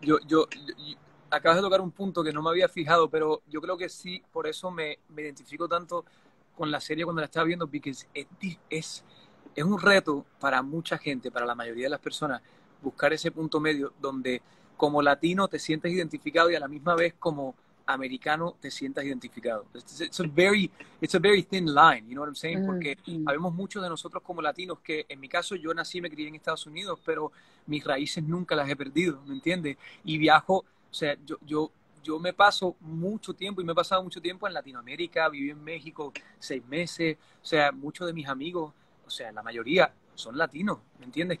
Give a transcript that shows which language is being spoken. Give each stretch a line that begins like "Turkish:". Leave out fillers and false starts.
Spanish: Yo acabas de tocar un punto que no me había fijado, pero yo creo que sí, por eso me identifico tanto con la serie cuando la estaba viendo, porque es un reto para mucha gente, para la mayoría de las personas, buscar ese punto medio donde como latino te sientes identificado y a la misma vez como americano te sientas identificado.
English: It's a very thin line, you know what I'm saying?
Spanish: Porque habemos muchos de nosotros como latinos que, en mi caso, yo nací y me crié en Estados Unidos, pero mis raíces nunca las he perdido, ¿me entiendes? Y viajo, o sea, yo me paso mucho tiempo y me he pasado mucho tiempo en Latinoamérica, viví en México 6 meses, o sea, muchos de mis amigos, o sea, la mayoría son latinos, ¿me entiendes?